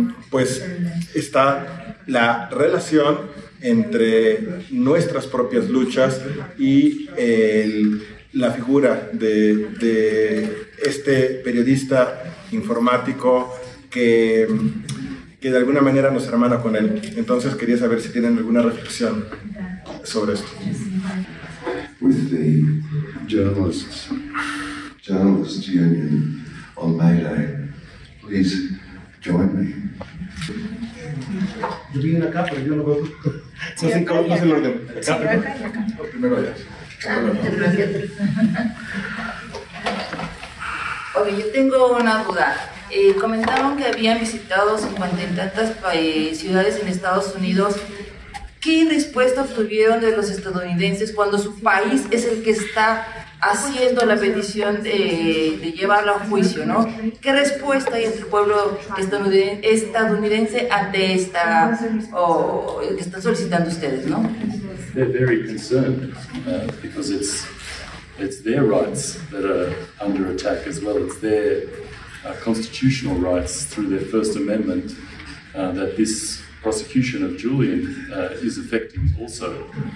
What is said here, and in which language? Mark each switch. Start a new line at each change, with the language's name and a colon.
Spanish: pues está la relación entre nuestras propias luchas y la figura de este periodista informático que de alguna manera nos hermana con él. Entonces quería saber si tienen alguna reflexión sobre esto.
English: With the journalist union on May Day, please join me.
Spanish: Yo vine acá, pero yo no veo. No sé cómo es el orden. Acá, primero ya. Oye, yo tengo una duda. Comentaron que habían visitado 50 y tantas ciudades en Estados Unidos. ¿Qué respuesta obtuvieron de los estadounidenses cuando su país es el que está haciendo la petición de llevarla a un juicio, ¿no? ¿Qué respuesta hay entre el pueblo estadounidense ante esta que están solicitando ustedes, ¿no?
English: They're very concerned because it's their rights that are under attack as well. It's their constitutional rights through their First Amendment that this prosecution of Julian is affecting also.